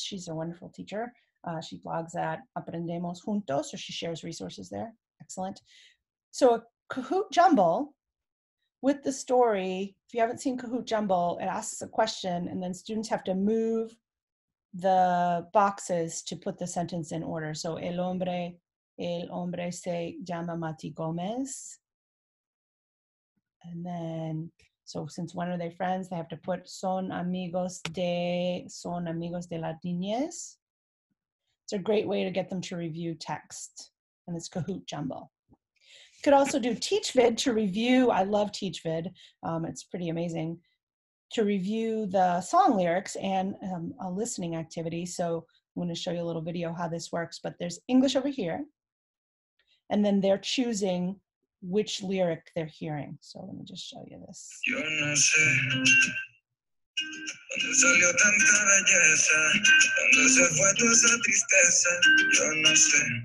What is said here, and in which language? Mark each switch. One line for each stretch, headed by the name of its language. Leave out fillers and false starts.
English: She's a wonderful teacher. She blogs at Aprendemos Juntos, so she shares resources there. Excellent. So a Kahoot jumble with the story. If you haven't seen Kahoot jumble, it asks a question, and then students have to move the boxes to put the sentence in order.
Spanish: So el hombre se llama Mati Gomez.
English: And then, so since when are they friends, they have to put
Spanish: son amigos de las niñas.
English: It's a great way to get them to review text, and it's Kahoot jumble. You could also do TeachVid to review. I love TeachVid. It's pretty amazing to review the song lyrics and a listening activity. So I'm going to show you a little video how this works, but there's English over here, and then they're choosing which lyric they're hearing. So let me just show you this.
Spanish: Yo no sé. Donde salió tanta belleza, donde se fue toda esa tristeza, yo no sé.